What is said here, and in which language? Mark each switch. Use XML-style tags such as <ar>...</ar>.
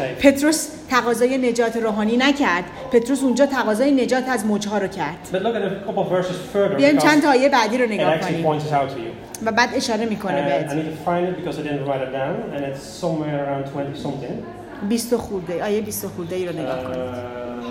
<fa>پتروس تقاضای نجات روحانی نکرد. پتروس اونجا تقاضای نجات از موج‌ها رو کرد. بیایم چند آیه بعدی رو نگاه کنیم. و بعد اشاره میکنه بهت.</fa> <en>I need to find it because I didn't write it down and it's somewhere around 20 something.</en> <fa>20 خورده. آیه 20 خورده ای رو نگاه کنید.</fa>